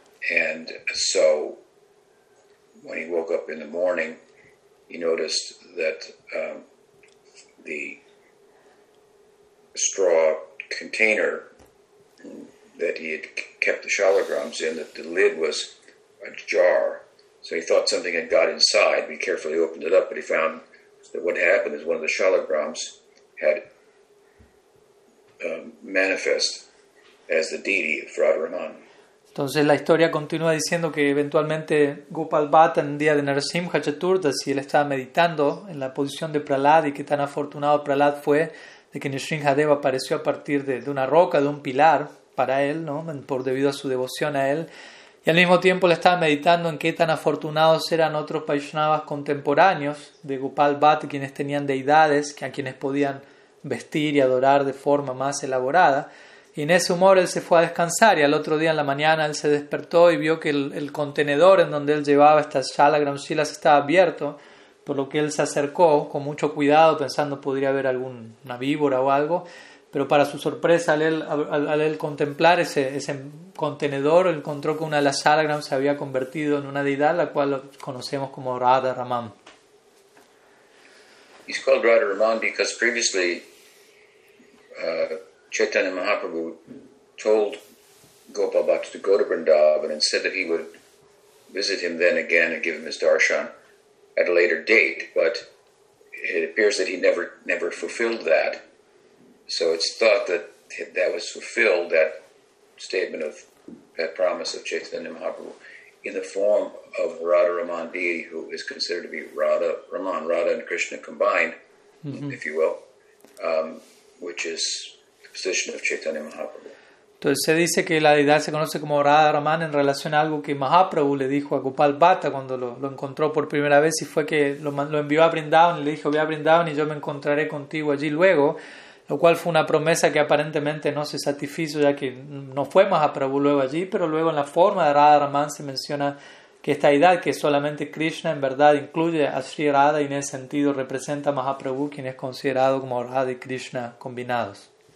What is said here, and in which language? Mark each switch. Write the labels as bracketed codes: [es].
[en] And so when he woke up in the morning, he noticed that the straw container that he had kept the Shalagrams in, that the lid was ajar. So he thought something had got inside. He carefully opened it up, but he found that what happened is one of the Shalagrams had manifest as the deity of Radharaman. [es] Entonces la historia continúa diciendo que eventualmente Gopal Bhatta, en el día de Narasimha Chaturdasi, él estaba meditando en la posición de Prahlad, y que tan afortunado Prahlad fue de que Nrisimha Dev apareció a partir de una roca, de un pilar para él, ¿no? Debido a su devoción a él. Y al mismo tiempo le estaba meditando en qué tan afortunados eran otros Vaishnavas contemporáneos de Gopal Bhatta, quienes tenían deidades, a quienes podían vestir y adorar de forma más elaborada. Y en ese humor él se fue a descansar, y al otro día en la mañana él se despertó y vio que el contenedor en donde él llevaba estas Shalagram Shilas estaba abierto, por lo que él se acercó con mucho cuidado, pensando podría haber alguna víbora o algo. Pero para su sorpresa, al él contemplar ese contenedor, encontró que una de las Shalagram se había convertido en una deidad, la cual conocemos como Radharaman. [en] He's called Radharaman because previously Chaitanya Mahaprabhu told Gopal Bhatta to go to Vrindavan and said that he would visit him then again and give him his darshan at a later date, but it appears that he never fulfilled that. So it's thought that that was fulfilled, that statement of that promise of Chaitanya Mahaprabhu, in the form of Radharaman deity, who is considered to be Radharaman, Radha and Krishna combined, if you will, which is position of Chaitanya Mahaprabhu. [es] Entonces se dice que la deidad se conoce como Radharaman en relación a algo que Mahaprabhu le dijo a Gopal Bhatta cuando lo encontró por primera vez, y fue que lo envió a Vrindavan y le dijo: ve a Vrindavan y yo me encontraré contigo allí luego, lo cual fue una promesa que aparentemente no se satisfizo, ya que no fue Mahaprabhu luego allí, pero luego en la forma de Radharaman se menciona que esta deidad, que solamente Krishna, en verdad incluye a Sri Radha, y en ese sentido representa a Mahaprabhu, quien es considerado como Radha y Krishna combinados.